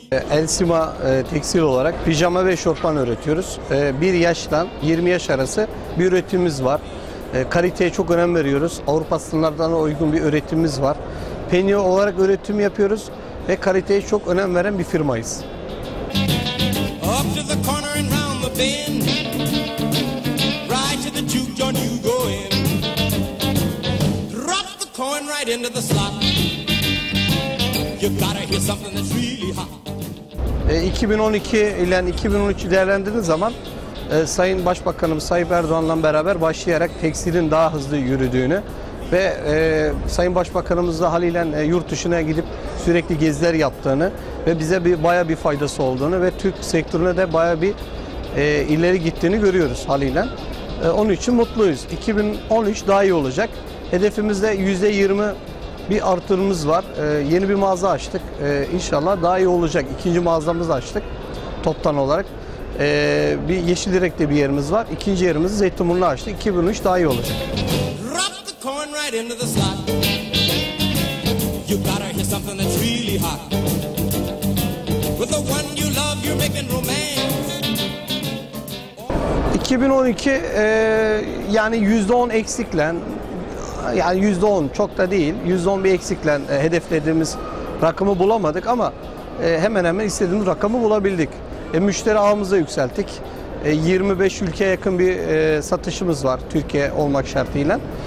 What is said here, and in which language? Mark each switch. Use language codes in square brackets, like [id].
[tr] El Sima tekstil olarak pijama ve şortman üretiyoruz. 1 yaştan 20 yaş arası bir üretimimiz var. Kaliteye çok önem veriyoruz. Avrupa standartlarına uygun bir üretimimiz var. Penny olarak üretim yapıyoruz ve kaliteye çok önem veren bir firmayız. [en] Up to the corner and round the bend. Right to the juke joint you go in. Drop the coin right into the slot. You gotta hear something that's really hot. [tr] 2012 ile 2013'ü değerlendirdiğiniz zaman Sayın Başbakanımız Tayyip Erdoğan'la beraber başlayarak tekstilin daha hızlı yürüdüğünü ve Sayın Başbakanımız da haliyle yurt dışına gidip sürekli geziler yaptığını ve bize bayağı bir faydası olduğunu ve Türk sektörüne de bayağı bir ileri gittiğini görüyoruz haliyle. Onun için mutluyuz. 2013 daha iyi olacak. Hedefimizde %20 bir artırımız var. Yeni bir mağaza açtık. İnşallah daha iyi olacak. İkinci mağazamızı açtık toptan olarak. Bir Yeşilirek'te bir yerimiz var. İkinci yerimizi Zeytinburnu'na açtık. 2003 daha iyi olacak. [en] Drop the coin right into the slot. You gotta hear something that's really hot. With the one you love you're making romance. [tr] 2012 yani %10 eksikle, yani %10 çok da değil, %10 bir eksikle hedeflediğimiz rakamı bulamadık ama hemen hemen istediğimiz rakamı bulabildik. Müşteri ağımızı yükselttik. 25 ülkeye yakın bir satışımız var Türkiye olmak şartıyla.